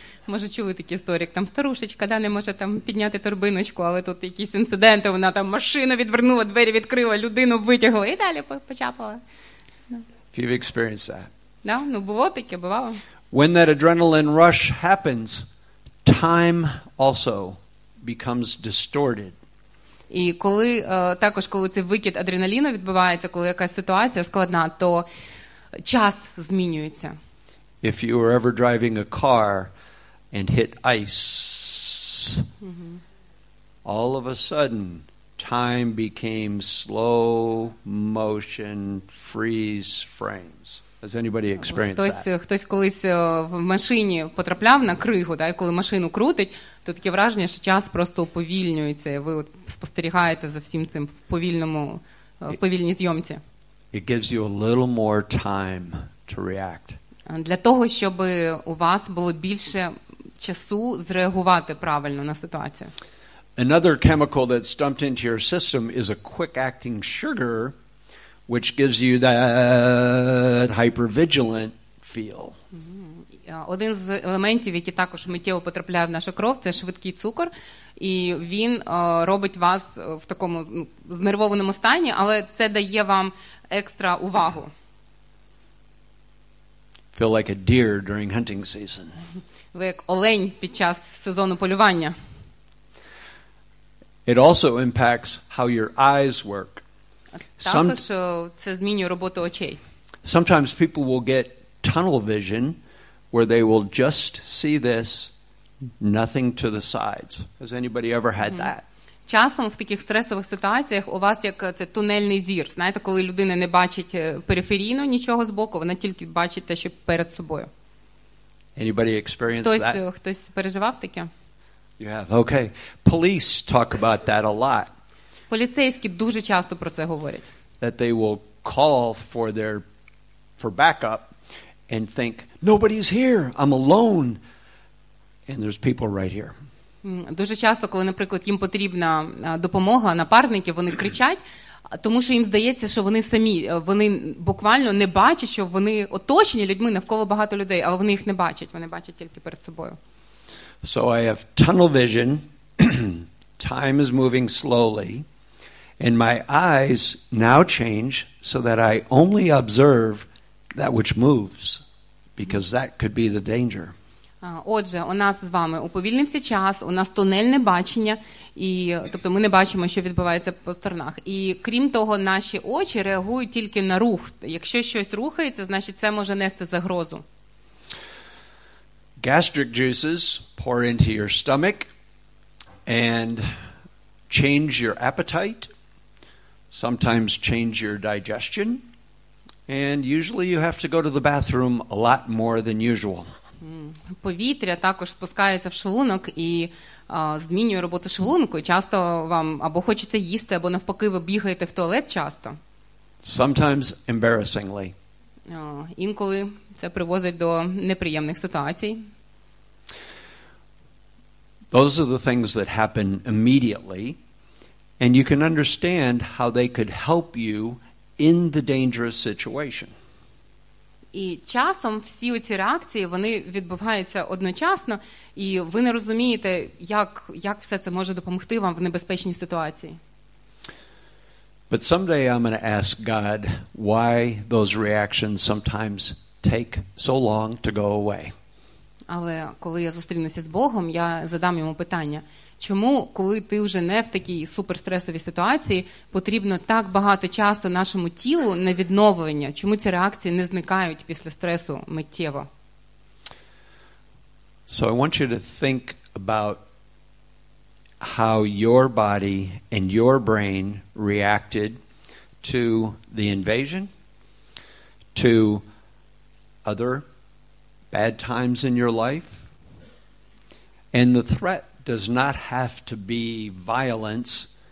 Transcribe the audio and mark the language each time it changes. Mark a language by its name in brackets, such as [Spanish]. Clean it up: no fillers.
[Ukrainian] Може, чули такі історії, там старушечка, да, не може там підняти торбиночку, але тут якісь інциденти, вона там машину відвернула, двері відкрила, людину витягла і далі почапала. [English] If you've experienced that. [Ukrainian] Да, ну було таке, бувало. [English] When that adrenaline rush happens, time also becomes distorted. [Ukrainian] І коли також, коли цей викид адреналіну відбувається, коли якась ситуація складна, то час змінюється. [English] If you were ever driving a car and hit ice, all of a sudden time became slow motion freeze frames. Has anybody experienced that? [Ukrainian] Хтось колись в машині потрапляв на кригу, да, і коли машину крутить, то таке враження, що час просто уповільнюється, і ви от спостерігаєте за всім цим в повільній зйомці. [English] It gives you a little more time to react. [Ukrainian] Для того, щоб у вас було більше часу зреагувати правильно на ситуацію. [English] Another chemical that's dumped into your system is a quick-acting sugar, which gives you that hypervigilant feel. [Ukrainian] Один з елементів, який також миттєво потрапляє в нашу кров, це швидкий цукор, і він робить вас в такому знервованому стані, але це дає вам екстра увагу. [English] Feel like a deer during hunting season. [Ukrainian] Ви як олень під час сезону полювання. [English] It also impacts how your eyes work. [Ukrainian] Також це змінює роботу очей. [English] Sometimes people will get tunnel vision where they will just see this, nothing to the sides. Has anybody ever had that? [Ukrainian] Часом в таких стресових ситуаціях у вас як це тунельний зір. Знаєте, коли людина не бачить периферійно нічого збоку, вона тільки бачить те, що перед собою. [English] Anybody experienced [Ukrainian] хтось, [English] that? [Ukrainian] Хтось переживав таке? [English] You have. Okay. Police talk about that a lot. [Ukrainian] Поліцейські дуже часто про це говорять. [English] That they will call for their for backup and think nobody's here. I'm alone. And there's people right here. [Ukrainian] Дуже часто, коли, наприклад, їм потрібна допомога, напарники, вони кричать, тому що їм здається, що вони самі, вони буквально не бачать, що вони оточені людьми, навколо багато людей, але вони їх не бачать, вони бачать тільки перед собою. [English] So I have tunnel vision. Time is moving slowly, and my eyes now change so that I only observe that which moves, because that could be the danger. [Ukrainian] Отже, у нас з вами уповільнився час, у нас тунельне бачення, і тобто ми не бачимо, що відбувається по сторонах. І крім того, наші очі реагують тільки на рух. Якщо щось рухається, значить це може нести загрозу. [English] Gastric juices pour into your stomach and change your appetite, sometimes change your digestion, and usually you have to go to the bathroom a lot more than usual. [Ukrainian] Повітря також спускається в шлунок і змінює роботу шлунку. Часто вам або хочеться їсти, або навпаки, ви бігаєте в туалет часто. [English] Sometimes embarrassingly. [Ukrainian] Інколи це приводить до неприємних ситуацій. [English] Those are the things that happen immediately, and you can understand how they could help you in the dangerous situation. [Ukrainian] І часом всі ці реакції, вони відбуваються одночасно, і ви не розумієте, як все це може допомогти вам в небезпечній ситуації. [English] But someday I'm going to ask God why those reactions sometimes take so long to go away. [Ukrainian] Але коли я зустрінуся з Богом, я задам йому питання. Чому, коли ти вже не в такій суперстресовій ситуації, потрібно так багато часу нашому тілу на відновлення? Чому ці реакції не зникають після стресу миттєво? [English] So I want you to think about how your body and your brain reacted to the invasion, to other bad times in your life, and the threat does not have to be violence.